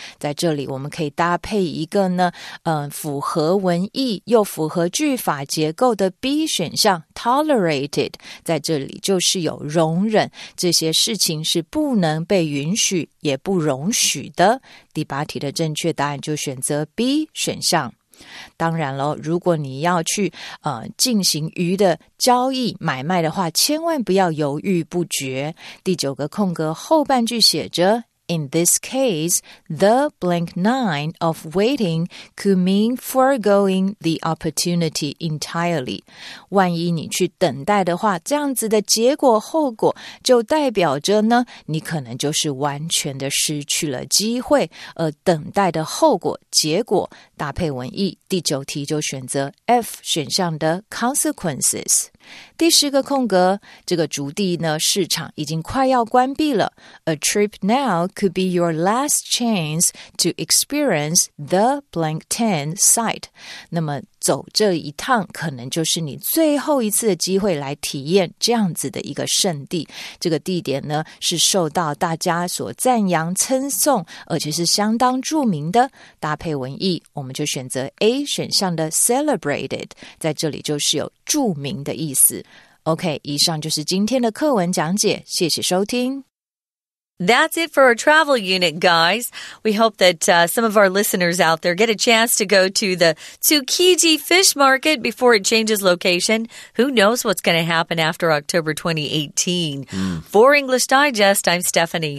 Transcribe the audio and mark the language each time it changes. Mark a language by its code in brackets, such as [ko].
[zh] 在这里我们可以搭配一个呢符合文意又符合句法结构的 B 选项 tolerated, 在这里就是有容忍这些事情是不能被允许也不容许的。第八题的正确答案就选择 B 选项。当然了如果你要去进行鱼的交易买卖的话千万不要犹豫不决。第九个空格后半句写着 [en] In this case, the blank nine of waiting could mean foregoing the opportunity entirely. [zh] 万一你去等待的话这样子的结果后果就代表着呢你可能就是完全的失去了机会而等待的后果结果搭配文意第九题就选择 F 选项的 consequences 第十个空格这个逐地呢市场已经快要关闭了 [en] A trip now could be your last chance to experience the blank 10 site [zh] 那么走这一趟可能就是你最后一次的机会来体验这样子的一个圣地。这个地点呢是受到大家所赞扬称颂而且是相当著名的。搭配文意我们就选择 A 选项的 celebrated, 在这里就是有著名的意思。 OK, 以上就是今天的课文讲解谢谢收听。 [en] That's it for our travel unit, guys. We hope that some of our listeners out there get a chance to go to the Tsukiji Fish Market before it changes location. Who knows what's going to happen after October 2018. For English Digest, I'm Stephanie.